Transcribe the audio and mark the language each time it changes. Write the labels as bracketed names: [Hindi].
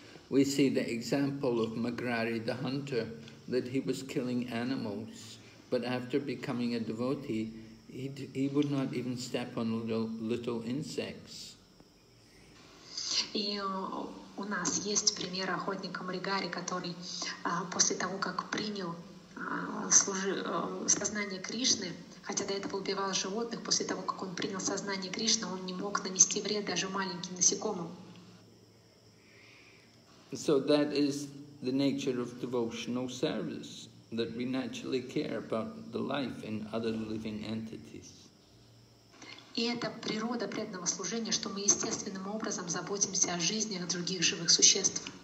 [English] We see the example of Magrari the hunter, that he was killing animals, but after becoming a devotee, he would not even step on little insects. [Russian] И у нас есть пример охотника Маграри, который после того, как принял сознание Кришны, хотя до этого убивал животных, после того, как он принял сознание Кришны, он не мог нанести вред даже маленьким насекомым. [English] So that is the nature of devotional service, that we naturally care about the life in other living entities. [Russian] И это природа преданного служения, что мы естественным образом заботимся о жизни других живых существ.